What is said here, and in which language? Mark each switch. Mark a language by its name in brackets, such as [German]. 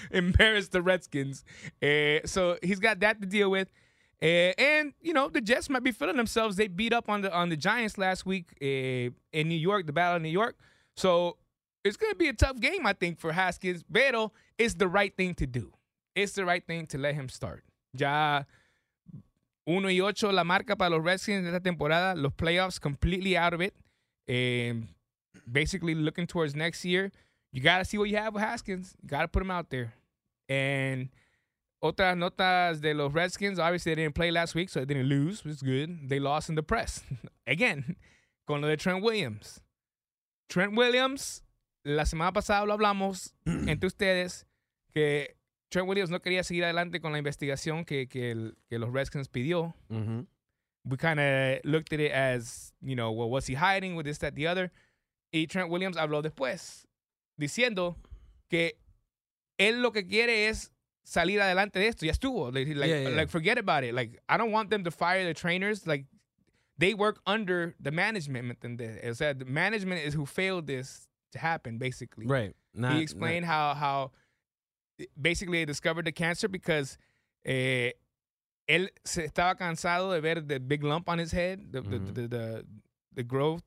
[English] Embarrass the Redskins. So he's got that to deal with. And the Jets might be feeling themselves. They beat up on the Giants last week in New York, the Battle of New York. So it's going to be a tough game, I think, for Haskins. Pero it's the right thing to do. It's the right thing to let him start. [Spanish] Ya 1-8 la marca para los Redskins de esta temporada. [English] Los playoffs completely out of it. Basically looking towards next year. You got to see what you have with Haskins. Got to put him out there. And [Spanish] otras notas de los Redskins. [English] Obviously, they didn't play last week, so they didn't lose. It's good. They lost in the press. Again, [Spanish] con lo de Trent Williams. Trent Williams, la semana pasada lo hablamos entre ustedes que... Trent Williams no quería seguir adelante con la investigación que los Redskins pidió. Mm-hmm. [English] We kind of looked at it as, well, was he hiding with this, that, the other? [Spanish] Y Trent Williams habló después diciendo que él lo que quiere es salir adelante de esto. Ya estuvo. [English] Like, forget about it. Like, I don't want them to fire the trainers. Like, they work under the management. [Spanish] ¿Me entiendes? O sea, [English] the management is who failed this to happen, basically. Right. Not, he explained not. How basically they discovered the cancer because [Spanish] él se estaba cansado de ver [English] the big lump on his head, the growth.